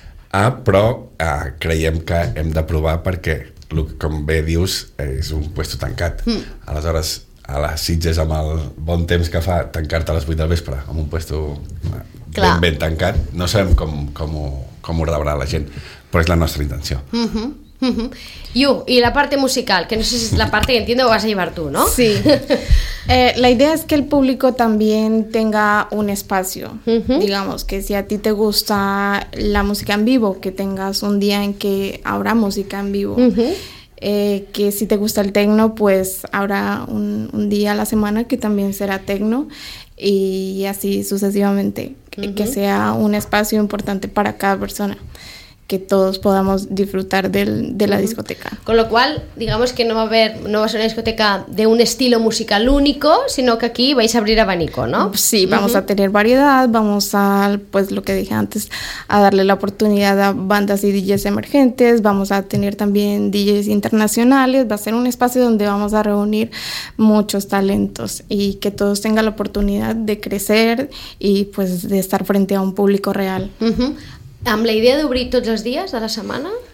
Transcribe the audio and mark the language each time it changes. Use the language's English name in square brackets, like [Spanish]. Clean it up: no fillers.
[Catalan] Però creiem que hem de provar perquè, com bé dius, és un puesto tancat. Aleshores, a les Sitges, amb el bon temps que fa, tancar-te a les 8 del vespre amb un puesto ben tancat, no sabem com ho rebrà la gent, però és la nostra intenció. [Spanish] I la parte musical, que [Catalan] no sé si és [Spanish] la parte que entiendo que vas a llevar tú, ¿no? Sí. La idea es que el público también tenga un espacio, digamos, que si a ti te gusta la música en vivo, que tengas un día en que habrá música en vivo. Que si te gusta el tecno, pues habrá un día a la semana que también será tecno, y así sucesivamente, que sea un espacio importante para cada persona. Que todos podamos disfrutar de la discoteca. Con lo cual, digamos que no va a ser una discoteca de un estilo musical único, sino que aquí vais a abrir abanico, ¿no? Sí, vamos a tener variedad, vamos a, pues lo que dije antes, a darle la oportunidad a bandas y DJs emergentes, vamos a tener también DJs internacionales, va a ser un espacio donde vamos a reunir muchos talentos y que todos tengan la oportunidad de crecer y pues de estar frente a un público real. [Catalan] Amb la idea d'obrir tots els dies de la setmana?